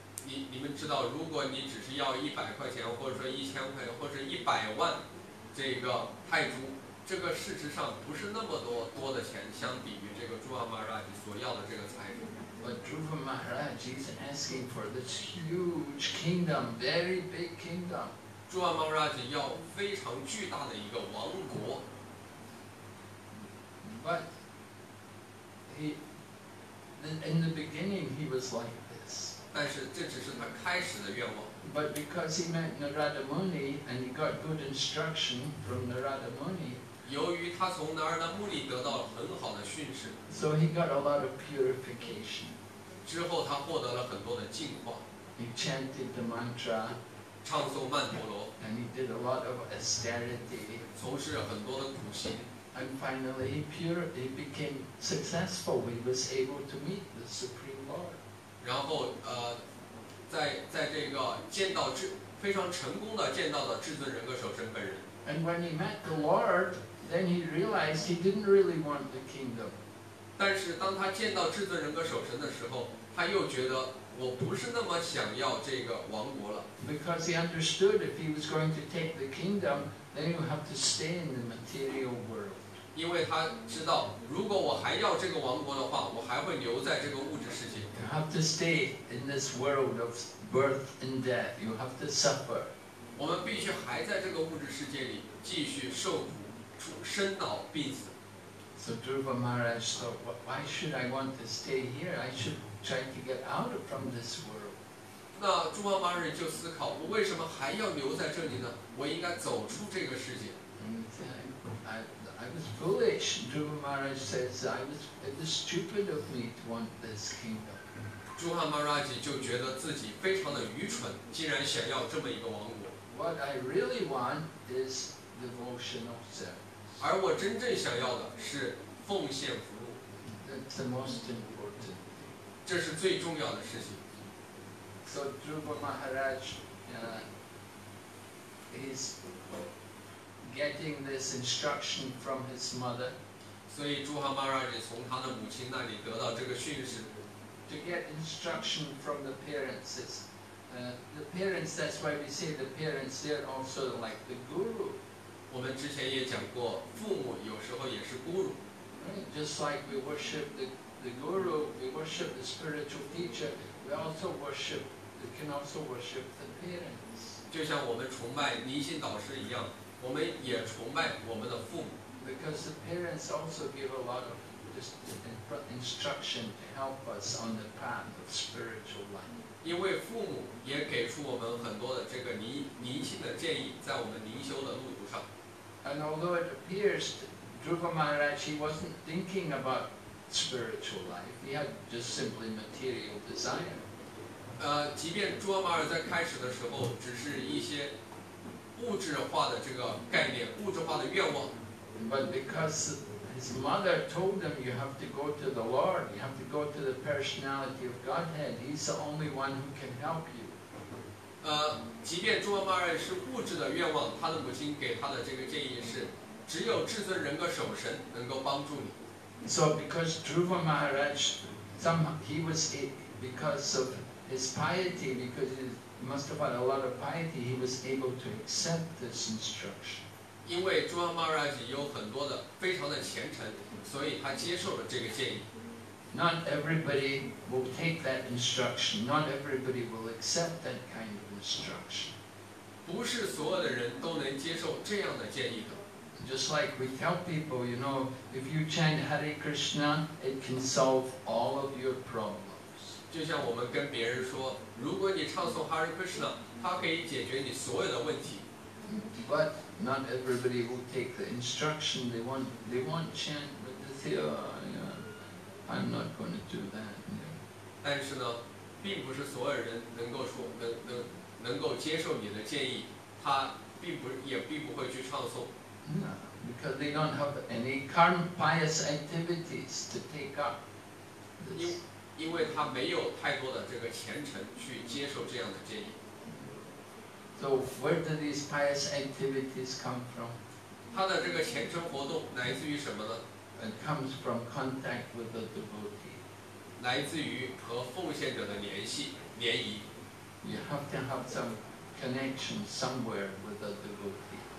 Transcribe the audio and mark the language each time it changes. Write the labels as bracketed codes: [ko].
[zh] 你们知道，如果你只是要100块钱，或者说1000块，或者100万，这个泰铢。这个事实上不是那么多的钱，相比于这个朱瓦马哈拉吉所要的这个财富。 [en] But Dhruva Maharaj is asking for this huge kingdom, very big kingdom. [zh] 朱瓦马哈拉吉要非常巨大的一个王国。 [en] But he in the beginning he was like this. [zh] 但是这只是他开始的愿望。 [en] But because he met Narada Muni and he got good instruction from Narada Muni. [zh] 由于他从南无目的得到了很好的训示 [en] ，so he got a lot of purification. [zh] 之后他获得了很多的净化。 [en] He chanted the mantra, [zh] 唱诵曼陀罗 [en] ，and he did a lot of austerity. [zh] 从事了很多的苦行 [en] ，and finally he became successful. He was able to meet the Supreme Lord. [zh] 然后在这个见到至非常成功的见到了至尊人格首身本人。 [en] And when he met the Lord, then he realized he didn't really want the kingdom. [zh] 但是当他见到至尊人格首身的时候，他又觉得我不是那么想要这个王国了。 [en] Because he understood if he was going to take the kingdom, then he would have to stay in the material world. [zh] 因为他知道，如果我还要这个王国的话，我还会留在这个物质世界。 [en] You have to stay in this world of birth and death. You have to suffer. [zh] 我们必须还在这个物质世界里继续受苦，生老病死。 [en] So Dhruva Maharaj thought, why should I want to stay here? I should try to get out from this world. [zh] 那朱瓦马哈拉吉就思考，我为什么还要留在这里呢？我应该走出这个世界。 [en] I was foolish, Dhruva Maharaj says. It was stupid of me to want this kingdom. [zh] 朱瓦马哈拉吉就觉得自己非常的愚蠢，竟然想要这么一个王国。 [en] What I really want is devotional service. [zh] 而我真正想要的是奉献服务。 [en] That's the most important. [zh] 这是最重要的事情。 [en] So Dhruva Maharaj, is getting this instruction from his mother. [zh] 所以朱瓦马哈拉吉从他的母亲那里得到这个训示。 [en] To get instruction from the parents is. The parents, that's why we say the parents, they're also like the guru. [zh] 我们之前也讲过，父母有时候也是 guru. [en] Just like we worship the guru, we worship the spiritual teacher, we can also worship the parents. [zh] 就像我们崇拜灵性导师一样，我们也崇拜我们的父母。 [en] Because the parents also give a lot of just instruction to help us on the path of spiritual life. [zh] 因为父母也给出我们很多的这个灵性的建议，在我们灵修的路途上。 [en] And although it appears Dhruva Maharaj wasn't thinking about spiritual life, he had just simply material desire. [zh] 即便朱瓦马哈拉吉在开始的时候只是一些物质化的这个概念、物质化的愿望。 [en] But because his mother told him, you have to go to the Lord, you have to go to the personality of Godhead, he's the only one who can help you. [zh] 即便朱瓦马哈拉吉是物质的愿望，他的母亲给他的这个建议是，只有至尊人格首神能够帮助你。 [en] So because Dhruva Maharaj, because of his piety, because he must have had a lot of piety, he was able to accept this instruction. [zh] 因为朱瓦马哈拉吉有很多的非常的虔诚，所以他接受了这个建议。 [en] Not everybody will take that instruction. Not everybody will accept that kind of instruction. [zh] 不是所有的人都能接受这样的建议的。 [en] Just like we tell people, you know, if you chant Hare Krishna, it can solve all of your problems. [zh] 就像我们跟别人说，如果你唱诵 Hare Krishna, 它可以解决你所有的问题。 [en] But not everybody will take the instruction. They want chant, but they say, oh, yeah, I'm not going to do that. [zh] 但是呢，并不是所有人能够说能够接受你的建议，他并不也并不会去唱诵。 [en] No, because they don't have any current pious activities to take up. [zh] 因为他没有太多的这个虔诚去接受这样的建议。 [en] So where do these pious activities come from? [zh] 他的这个虔诚活动来自于什么呢？ [en] It comes from contact with the devotee. [zh] 来自于和奉献者的联系联谊。 [en] You have to have some connection somewhere with the devotee.